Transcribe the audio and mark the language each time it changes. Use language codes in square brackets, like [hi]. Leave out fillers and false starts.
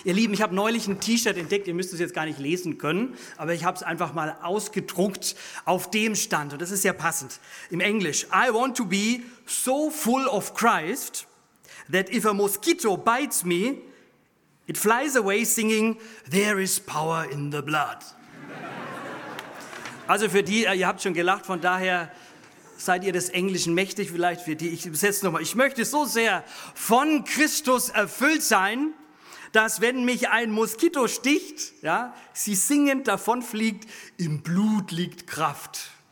[de] Ihr Lieben, ich habe neulich ein T-Shirt entdeckt. Ihr müsst es jetzt gar nicht lesen können, aber ich habe es einfach mal ausgedruckt auf dem Stand. Und das ist sehr passend. Im Englisch. [en] I want to be so full of Christ that if a mosquito bites me, it flies away singing, there is power in the blood. [de] Also für die, ihr habt schon gelacht, von daher seid ihr des Englischen mächtig vielleicht für die. Ich übersetze nochmal. Ich möchte so sehr von Christus erfüllt sein, dass wenn mich ein Moskito sticht, ja, sie singend davonfliegt, im Blut liegt Kraft.